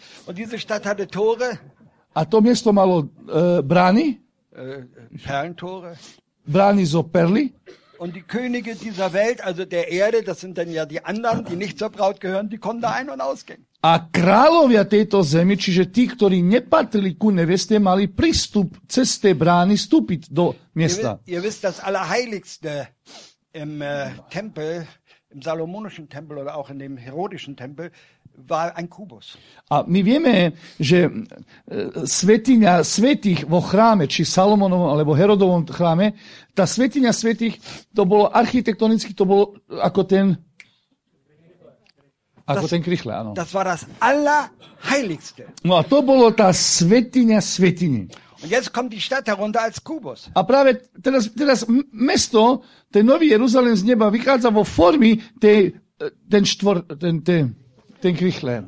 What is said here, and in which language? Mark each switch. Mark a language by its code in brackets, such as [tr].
[de] Und diese Stadt hatte Tore. [sk] A to miesto malo brány. [de] Perlentore. [sk] Brány zo perly. [de] Und die Könige dieser Welt, also der Erde, das sind dann ja die anderen, die nicht zur Braut gehören, die konnten da ein- und ausgehen. [sk] A kráľovia tejto zemi, čiže tí, ktorí nepatrili ku neveste, mali prístup cez tie brány vstúpiť do miesta. [de] Ihr wisst, das Allerheiligste im Tempel, im Salomonischen Tempel oder auch in dem Herodischen Tempel, war ein Kubus. [sk] A my vieme, že svätyňa svätých vo chráme, či Salomonovom alebo Herodovom chráme, tá svätyňa svätých, to bolo architektonicky, to bolo ako ten krichle, áno. [de] Das war das Allerheiligste. [sk] No a to bolo tá svätyňa svätyní. [de] Und jetzt kommt die Stadt herunter als Kubus. [sk] A práve teraz mesto, ten nový Jeruzalém z neba vychádza vo formy ten krichle.